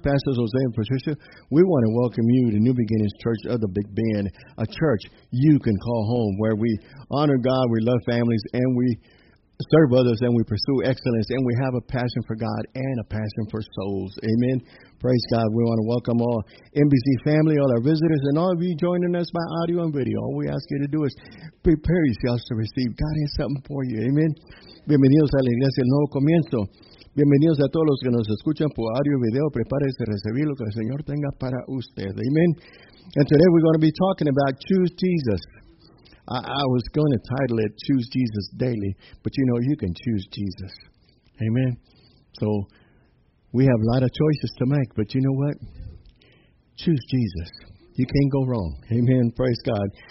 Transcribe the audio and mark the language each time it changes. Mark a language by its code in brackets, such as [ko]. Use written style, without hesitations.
[en] Pastors Jose and Patricia, we want to welcome you to New Beginnings Church of the Big Bend, a church you can call home, where we honor God, we love families, and we serve others, and we pursue excellence, and we have a passion for God and a passion for souls. Amen. Praise God. We want to welcome all NBC family, all our visitors, and all of you joining us by audio and video. All we ask you to do is prepare yourselves to receive. God has something for you. Amen. [es] Bienvenidos a la Iglesia del Nuevo Comienzo. Bienvenidos a todos los que nos escuchan por audio y video. Prepárense a recibir lo que el Señor tenga para usted. [en] Amen. And today we're going to be talking about Choose Jesus. I was going to title it Choose Jesus Daily, but you know, you can choose Jesus. Amen. So we have a lot of choices to make, but you know what? Choose Jesus. You can't go wrong. Amen. Praise God.